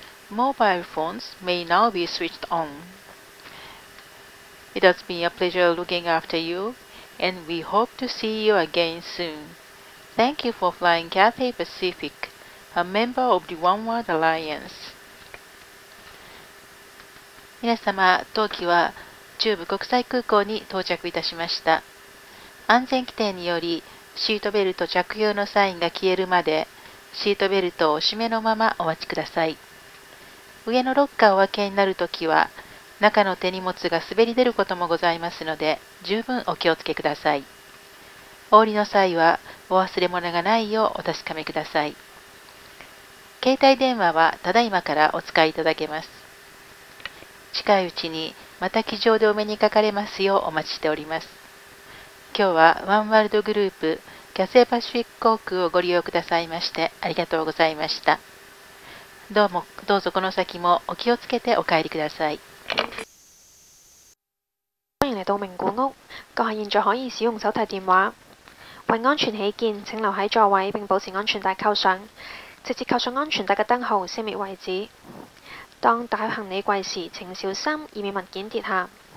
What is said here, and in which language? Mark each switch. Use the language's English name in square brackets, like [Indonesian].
[English] Mobile phones may now be switched on. It has been a pleasure looking after you, and we hope to see you again soon. Thank you for flying Cathay Pacific, a member of the Oneworld Alliance. [Japanese] 皆様、当機は中部国際空港に到着いたしました。安全規定により、シートベルト着用のサインが消えるまで、シートベルトをお締めのままお待ちください。上のロッカーをお開けになるときは、中の手荷物が滑り出ることもございますので、十分お気をつけください。お降りの際は、お忘れ物がないようお確かめください。携帯電話は、ただいまからお使いいただけます。近いうちにまた機場でお目にかかれますようお待ちしております。今日はワンワールドグループキャセイパシフィック航空をご利用くださいましてありがとうございました。どうぞこの先もお気をつけてお帰りください。 [Cantonese] 欢迎来到名古屋。阁下现在可以使用手提电话。为安全起见，请留喺座位并保持安全带扣上，直至扣上安全带嘅灯号熄灭为止。当打开行李柜时，请小心，以免物件跌下。